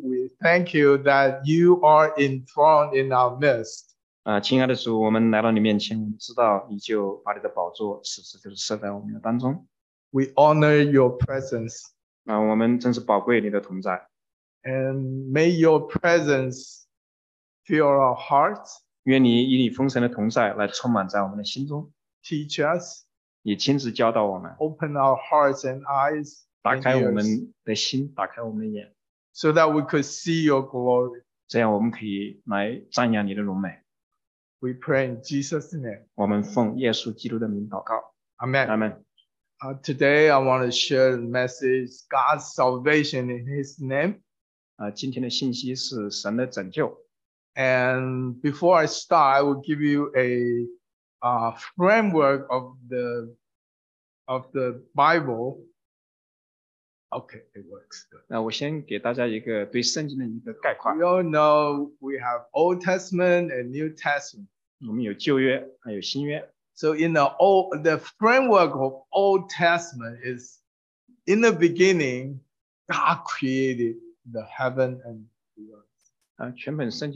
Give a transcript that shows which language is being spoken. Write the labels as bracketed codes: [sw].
[en] We thank you that you are enthroned in our midst. [zh] 亲爱的主，我们来到你面前，我们知道你就把你的宝座，此时就是设在我们的当中。 [en] We honor your presence. [zh] 我们真是宝贵你的同在。 [en] And may your presence fill our hearts. [zh] 愿你以你丰盛的同在来充满在我们的心中。 [en] Teach us. [zh] 你亲自教导我们。 [en] Open our hearts and eyes. [zh] 打开我们的心，打开我们的眼。 [en] So that we could see your glory. [zh] 这样我们可以来瞻仰你的荣美。 [en] We pray in Jesus' name. [zh] 我们奉耶稣基督的名祷告。Amen. [en] Amen. Today I want to share the message, God's salvation in His name. [zh] 今天的信息是神的拯救。 [en] And before I start, I will give you a framework of the Bible. Okay, it works. [zh] 那我先给大家一个对圣经的一个概况。 [en] We all know we have Old Testament and New Testament. [zh] 我们有旧约，还有新约。 [en] So in the framework of Old Testament is in the beginning, God created the heaven and the earth.